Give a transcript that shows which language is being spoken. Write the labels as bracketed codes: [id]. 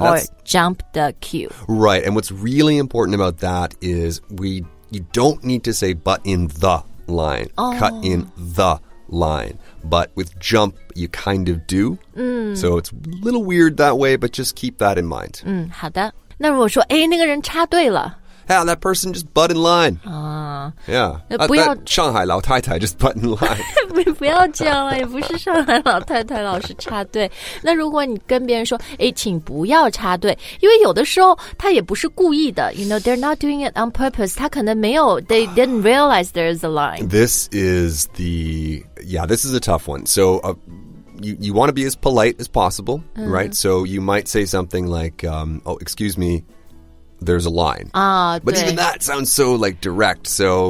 [en] or jump the queue. Right, and what's really important about that is you don't need to say but in the line, cut in the line. But with jump, you kind of do. So it's a little weird that way, but just keep that in mind. [zh] 好的。那如果说，哎，那个人插队了。 [en] Yeah, that person just butt in line. That Shanghai 老太太 just butt in line. [zh] 不要这样了，也不是上海老太太老是插队。那如果你跟别人说，哎，请不要插队，因为有的时候他也不是故意的。 [en] You know, they're not doing it on purpose. [zh] 他可能没有 [en] they didn't realize there is a line. This is a tough one. So you want to be as polite as possible, right? So you might say something like, excuse me. There's a line. But even that sounds so like direct. So